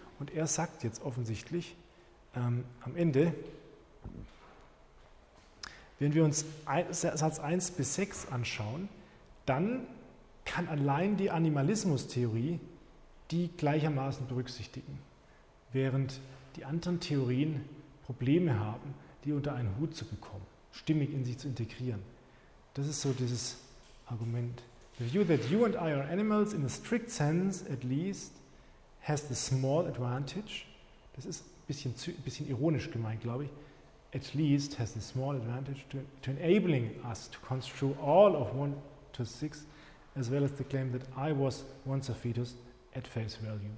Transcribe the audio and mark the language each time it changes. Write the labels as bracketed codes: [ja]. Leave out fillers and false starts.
[de] Und er sagt jetzt offensichtlich am Ende, wenn wir uns Satz 1 bis 6 anschauen, dann kann allein die Animalismustheorie die gleichermaßen berücksichtigen, während die anderen Theorien Probleme haben, die unter einen Hut zu bekommen, stimmig in sich zu integrieren. Das ist so dieses Argument. [en] The view that you and I are animals, in a strict sense at least, has the small advantage. [de] Das ist ein bisschen ironisch gemeint, glaube ich. [en] At least has the small advantage to enabling us to construe all of 1 to 6, as well as the claim that I was once a fetus at face value.